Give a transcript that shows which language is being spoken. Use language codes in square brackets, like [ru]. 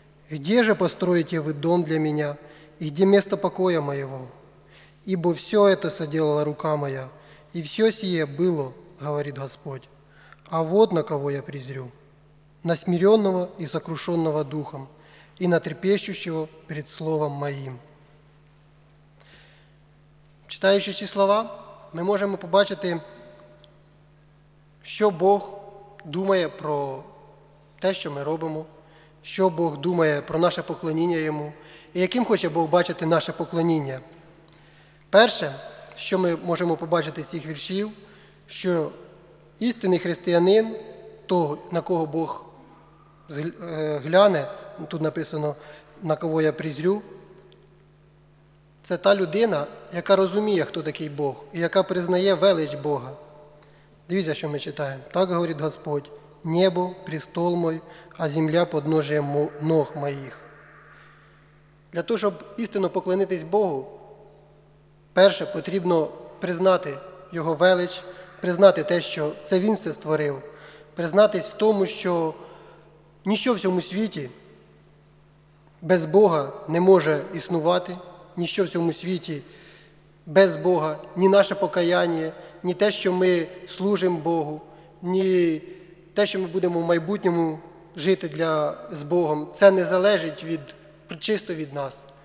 [ru] Где же построите вы дом для меня, и где место покоя моего? Ибо все это соделала рука моя, и все сие было, говорит Господь. А вот на кого я презрю, на смиренного и сокрушенного духом, и на трепещущего перед словом моим. [uk] Читаючи ці слова, ми можемо побачити, що Бог думає про те, що ми робимо, що Бог думає про наше поклоніння йому, і яким хоче Бог бачити наше поклоніння. Перше, що ми можемо побачити з цих віршів, що істинний християнин, то, на кого Бог гляне, тут написано, на кого я призрю, це та людина, яка розуміє, хто такий Бог, і яка признає велич Бога. Дивіться, що ми читаємо. Так говорить Господь, [ru] небо – престол мой, а земля – подножие ног моїх. [uk] Для того, щоб істинно поклонитись Богу, перше, потрібно признати Його велич, признати те, що це Він все створив, признатись в тому, що ніщо в цьому світі без Бога не може існувати, ніщо в цьому світі без Бога, ні наше покаяння, ні те, що ми служимо Богу, ні те, що ми будемо в майбутньому жити з Богом, це не залежить чисто від нас.